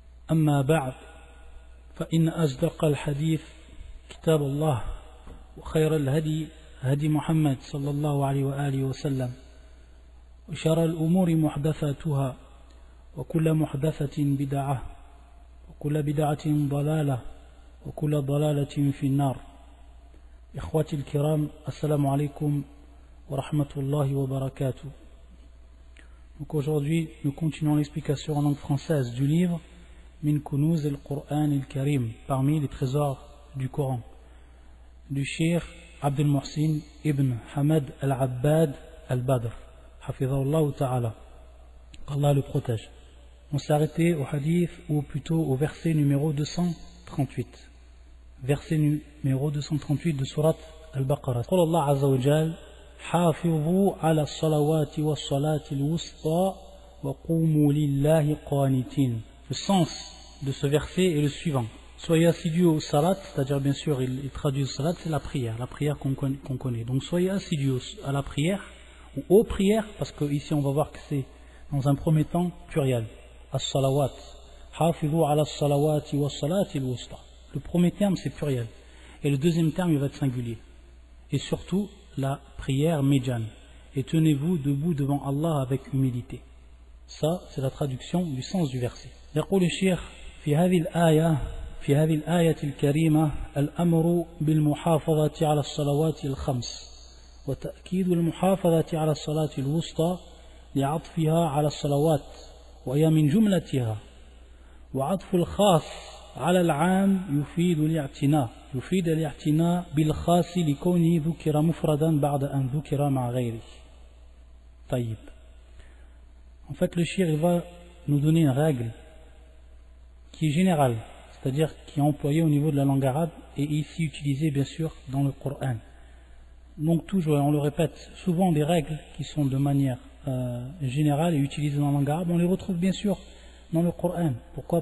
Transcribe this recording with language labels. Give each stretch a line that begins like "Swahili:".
Arabic: أما بعد فإن أصدق الحديث كتاب الله وخير الهدي هدي محمد صلى الله عليه وآله وسلم وشر الأمور محدثاتها وكل محدثة بدعة وكل بدعة ضلالة وكل ضلالة في النار إخوتي الكرام السلام عليكم ورحمة الله وبركاته.
French: Donc aujourd'hui nous continuons l'explication en langue française du livre Min Kunuz al-Qur'an al-Karim, parmi les trésors du Coran, du Cheikh عبد المحسن ابن حمد العباد البدر
Arabic: حفظه الله تعالى
French: الله le protège. On s'est arrêté au hadith, ou plutôt au verset numéro 238. Verset numéro 238 de surat Al-Baqara.
Arabic: قال الله عز وجل حافظوا على الصلوات والصلاة الوسطى وقوموا لله قانتين.
French: Le sens de ce verset est le suivant: soyez assidus au salat, c'est-à-dire, bien sûr, il traduit le salat, c'est la prière qu'on connaît. Donc soyez assidus à la prière, ou aux prières, parce que ici on va voir que c'est dans un premier temps pluriel. As-salawat.
Arabic: Hafidhu ala salawati wa salati al-wusta.
French: Le premier terme c'est pluriel. Et le deuxième terme il va être singulier. Et surtout, la prière médiane. Et tenez-vous debout devant Allah avec humilité. Ça, c'est la traduction du sens du verset.
Arabic: Yaqul al-shaykh fi hadhihi al-aya. في هذه الآية الكريمة الأمر بالمحافظة على الصلوات الخمس وتأكيد المحافظة على الصلاة الوسطى لعطفها على الصلوات وهي من جملتها وعطف الخاص على العام يفيد الاعتناء بالخاص لكونه ذكر مفردا بعد أن ذكر مع غيره. طيب.
French: En fait, le shir va nous donner une règle qui est générale, c'est-à-dire qui est employé au niveau de la langue arabe et ici utilisé bien sûr dans le Coran. Donc toujours, et on le répète, souvent des règles qui sont de manière générale et utilisées dans la langue arabe, on les retrouve bien sûr dans le Coran. Pourquoi ?